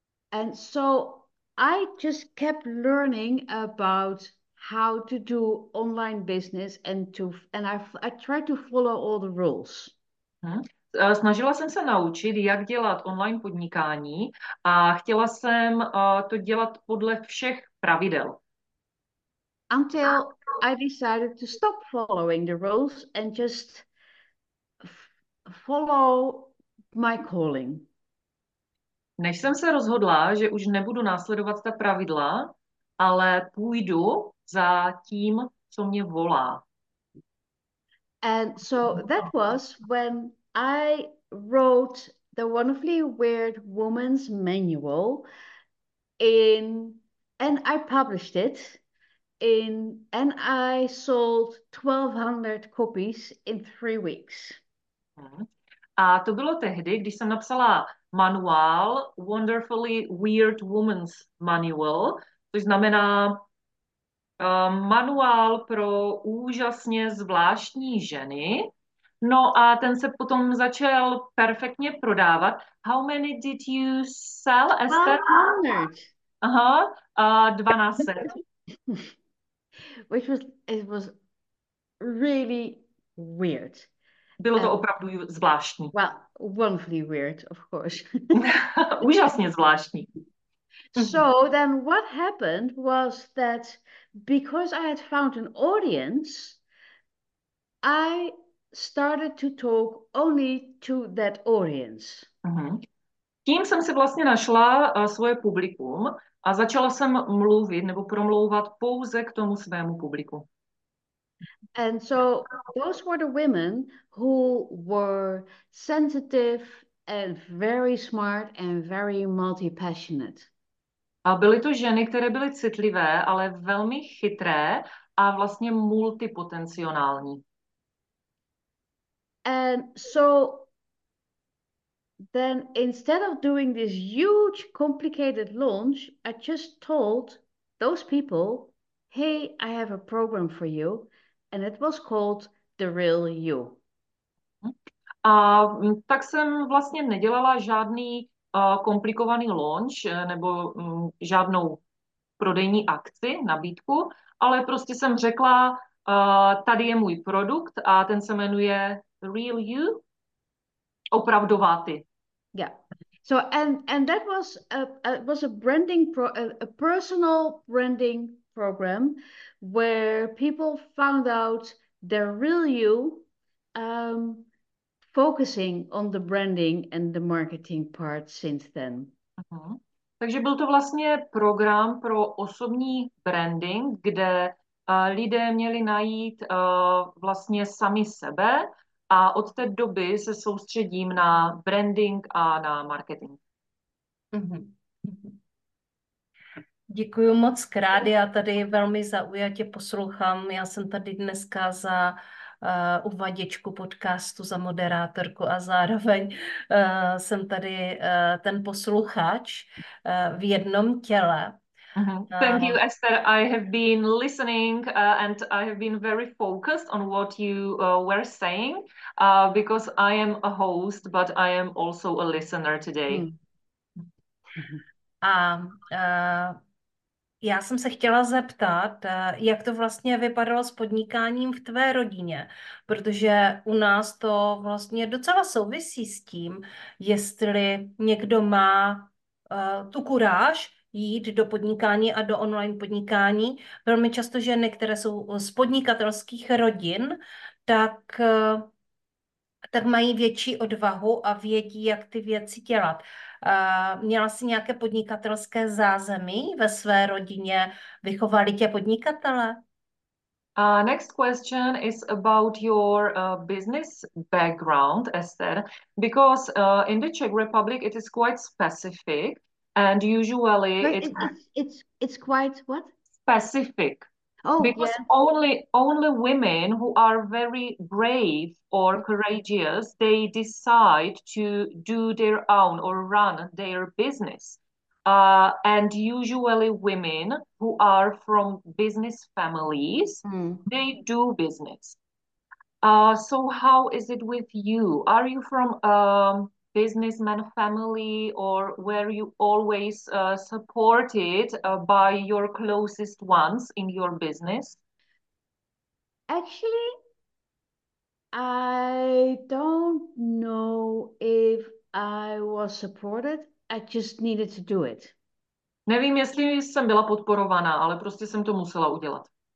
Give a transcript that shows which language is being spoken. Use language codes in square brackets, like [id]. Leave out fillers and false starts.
[en] And so I just kept learning about how to do online business and I tried to follow all the rules. [cs] Snažila jsem se naučit, jak dělat online podnikání a chtěla jsem to dělat podle všech pravidel. [en] Until I decided to stop following the rules and just follow my calling. [cs] Než jsem se rozhodla, že už nebudu následovat ta pravidla, ale půjdu za tím, co mě volá. [en] And so that was when I wrote the Wonderfully Weird Woman's Manual and I published it and I sold 1200 copies in 3 weeks. [cs] A to bylo tehdy, když jsem napsala manuál Wonderfully Weird Woman's Manual, což znamená manuál pro úžasně zvláštní ženy. No a ten se potom začal perfektně prodávat. [en] How many did you sell, Esther? 1200. [cs] Aha, 1200. [en] Which was, it was really weird. [cs] Bylo to opravdu zvláštní. [en] Well, wonderfully weird, of course. [cs] Úžasně zvláštní. [en] So then what happened was that because I had found an audience, I started to talk only to that audience. [cs] Tím jsem si vlastně našla svoje publikum a začala jsem mluvit nebo promlouvat pouze k tomu svému publiku. [en] And so those were the women who were sensitive and very smart and very multi-passionate. [cs] A byly to ženy, které byly citlivé, ale velmi chytré a vlastně multipotenciální. [en] And so then instead of doing this huge complicated launch, I just told those people, "Hey, I have a program for you." And it was called The Real You. [cs] A tak jsem vlastně nedělala žádný komplikovaný launch nebo žádnou prodejní akci, nabídku, ale prostě jsem řekla, tady je můj produkt a ten se jmenuje Real You, opravdová ty. Yeah. So and that was a branding a personal branding program where people found out their real you, focusing on the branding and the marketing part since then. Takže byl to vlastně program pro osobní branding, kde lidé měli najít vlastně sami sebe a od té doby se soustředím na branding a na marketing. Děkuji moc krát, já tady velmi zaujatě poslouchám. Já jsem tady dneska za uvaděčku podcastu, za moderátorku a zároveň jsem tady ten posluchač v jednom těle. [en] Thank you, Esther. I have been listening and I have been very focused on what you were saying because I am a host, but I am also a listener today. [cs] A já jsem se chtěla zeptat, jak to vlastně vypadalo s podnikáním v tvé rodině, protože u nás to vlastně docela souvisí s tím, jestli někdo má tu kuráž jít do podnikání a do online podnikání. Velmi často ženy, které jsou z podnikatelských rodin, tak mají větší odvahu a vědí, jak ty věci dělat. Měla jsi nějaké podnikatelské zázemí ve své rodině? Vychovali tě podnikatele? [en] Next question is about your business background, Esther, because in the Czech Republic it is quite specific. And usually it's quite what? Specific. Oh, because yeah. only women who are very brave or courageous, they decide to do their own or run their business. And usually women who are from business families, they do business. So how is it with you? Are you from businessman family, or were you always supported by your closest ones in your business? Actually, I don't know if I was supported. I just needed to do it. [cs] Nevím, jestli jsem byla podporovaná, ale prostě jsem to musela udělat.